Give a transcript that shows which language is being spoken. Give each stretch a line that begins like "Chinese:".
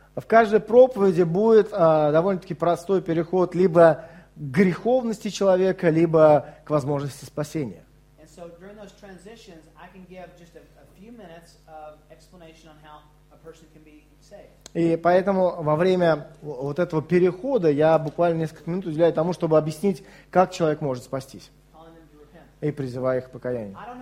Russian: В каждой проповеди будет довольно-таки простой переход либо к греховности человека, либо к возможности спасения.
English: And so during those transitions, I can give just a few minutes of explanation on how a person can be saved.
Russian: И поэтому во время вот этого перехода я буквально несколько минут уделяю тому, чтобы объяснить, как человек может спастись. И призываю их к покаянию.